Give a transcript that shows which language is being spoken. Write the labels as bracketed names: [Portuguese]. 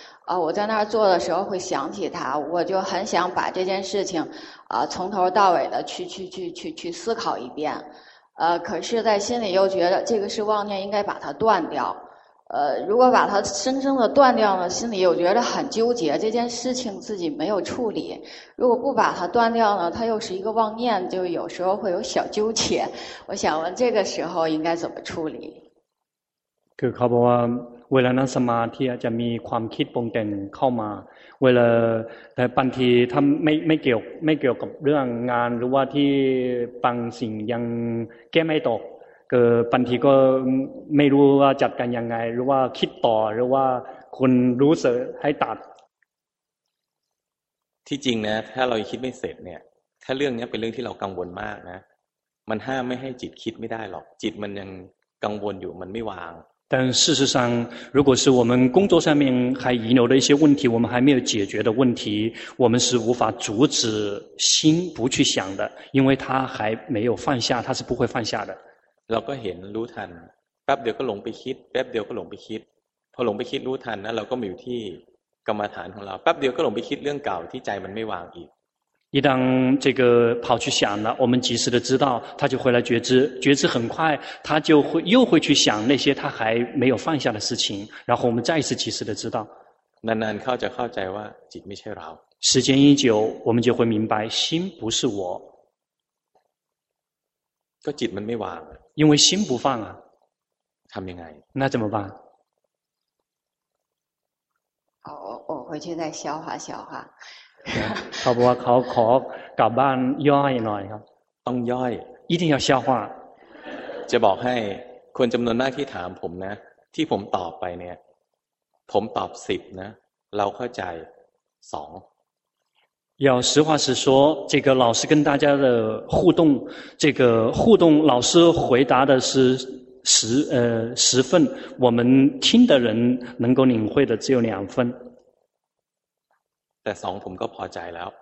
[Chinese] 我在那儿做的时候会想起它我就很想把这件事情从头到尾的去思考一遍可是在心里又觉得这个是妄念应该把它断掉如果把它生生的断掉呢心里又觉得很纠结这件事情自己没有处理如果不把它断掉呢它又是一个妄念就有时候会有小纠结我想问这个时候应该怎么处理 [Thai] คือเขาบอกว่าเวลานั่งสมาธิจะมีความคิดปรุงแต่งเข้ามาเวลาแต่บางทีถ้าไม่เกี่ยวกับเรื่องงานหรือว่าที่บางสิ่งยังแก้ไม่ตกก็บางทีก็ไม่รู้ว่าจัดการยังไงหรือว่าคิดต่อหรือว่าคุณรู้สึกให้ตัด ที่จริงนะถ้าเราคิดไม่เสร็จเนี่ยถ้าเรื่องนี้เป็นเรื่องที่เรากังวลมากนะมันห้ามไม่ให้จิตคิดไม่ได้หรอกจิตมันยังกังวลอยู่มันไม่วาง แต่ [Chinese] 事实上如果是我们工作上面还遗留的一些问题我们还没有解决的问题我们是无法阻止心不去想的因为它还没有放下它是不会放下的 [Thai] เราก็เห็นรู้ทันแป๊บเดียวก็หลงไปคิดแป๊บเดียวก็หลงไปคิดพอหลงไปคิดรู้ทันนะเราก็มีอยู่ที่กรรมฐานของเราแป๊บเดียวก็หลงไปคิดเรื่องเก่าที่ใจมันไม่วางอีก [Chinese] 一旦这个跑去想了我们及时的知道他就回来觉知觉知很快他就会又会去想那些他还没有放下的事情然后我们再一次及时的知道那难靠着靠着我 [Thai] จิตไม่ใช่เรา [Chinese] 时间一久我们就会明白心不是我 [Thai] ก็จิตมันไม่วาง [Chinese] 因为心不放啊 [Thai] ทำยังไง [Chinese] 那怎么办好我回去再消化消化 [Thai] เขาบอกว่าเขาขอกลับบ้านย่อยหน่อยครับ ต้องย่อย [Chinese] 一定要消化 [Thai] จะบอกให้คนจำนวนมากที่ถามผมนะที่ผมตอบไปเนี่ยผมตอบ10นะเราเข้าใจ2 [Chinese] 要实话实说这个老师跟大家的互动这个互动老师回答的是10分我们听的人能够领会的只有2分 [Thai] แต่สองผมก็พอใจแล้ว